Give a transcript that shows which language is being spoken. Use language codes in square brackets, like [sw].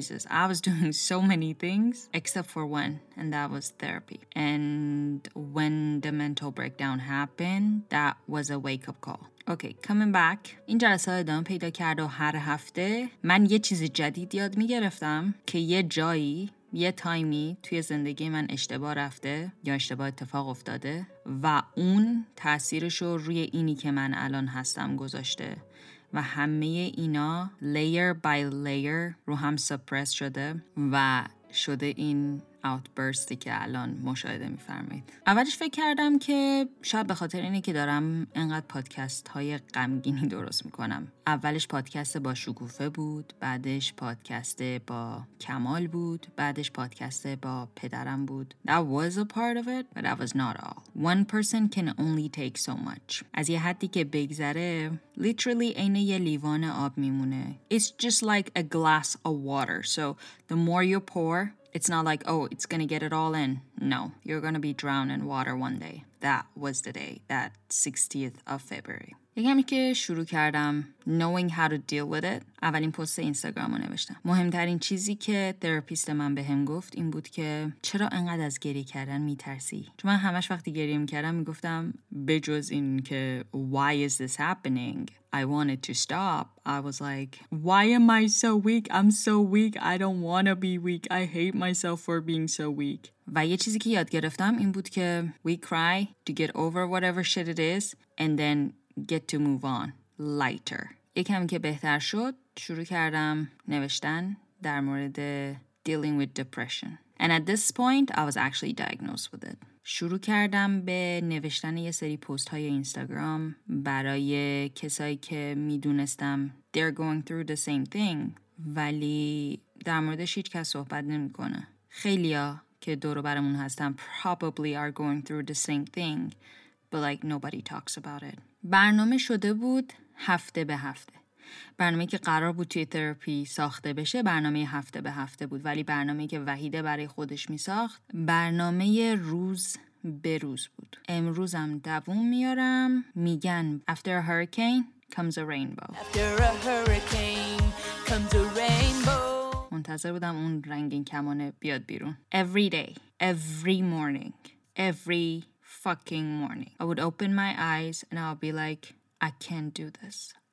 [en] I was doing so many things except for one, and that was therapy. And when the mental breakdown happened, that was a wake-up call. Okay, coming back. [fa] این جلسه ادامه پیدا کرد و هر هفته من یه چیز جدید یاد میگرفتم که یه جایی یه تایمی توی زندگی من اشتباه رفته یا اشتباه اتفاق افتاده و اون تأثیرش رو روی اینی که من الان هستم گذاشته و همه اینا [en] layer by layer [fa] رو هم سپرس شده و شده این outburstی که الان مشاهده می فرمید. اولش فکر کردم که شاید به خاطر اینه که دارم انقدر پادکست های غمگینی درست می کنم. اولش پادکست با شکوفه بود، بعدش پادکست با کمال بود، بعدش پادکست با پدرم بود. [en] That was a part of it, but that was not all. One person can only take so much. [fa] از یه حدی که بگذره literally اینه یه لیوان آب می مونه. [en] It's just like a glass of water. So the more you pour, it's not like, oh, it's going to get it all in. No, you're going to be drowned in water one day. That was the day, that 60th of February. [fa] یکمی که شروع کردم [en] knowing how to deal with it [fa] اولین پست اینستاگرامو نوشتم. مهمترین چیزی که تراپیست من بهم گفت این بود که چرا انقدر از گریه کردن میترسی؟ چون من همش وقتی گریه میکردم میگفتم بجز این که [en] why is this happening? I wanted to stop. I was like why am I so weak? I'm so weak. I don't want to be weak. I hate myself for being so weak. [fa] و یه چیزی که یاد گرفتم این بود که [en] we cry to get over whatever shit it is and then get to move on lighter. [fa] یکم که بهتر شد شروع کردم نوشتن در مورد [en] dealing with depression. And at this point I was actually diagnosed with it. [fa] شروع کردم به نوشتن یه سری پست های اینستاگرام برای کسایی که میدونستم [en] they're going through the same thing [fa] ولی در موردش هیچ کس صحبت نمیکنه. خیلیا که دور و برمون هستن [en] probably are going through the same thing but like nobody talks about it. [fa] برنامه شده بود هفته به هفته. برنامه که قرار بود توی تراپی ساخته بشه برنامه هفته به هفته بود، ولی برنامه که وحیده برای خودش می ساخت برنامه روز به روز بود. امروزم دووم میارم. میگن [en] After a hurricane comes a rainbow. After a hurricane comes a rainbow. [fa] منتظر بودم اون رنگین کمانه بیاد بیرون. [en] Every day, every morning, every fucking morning I would open my eyes and I'll be like I can't do this.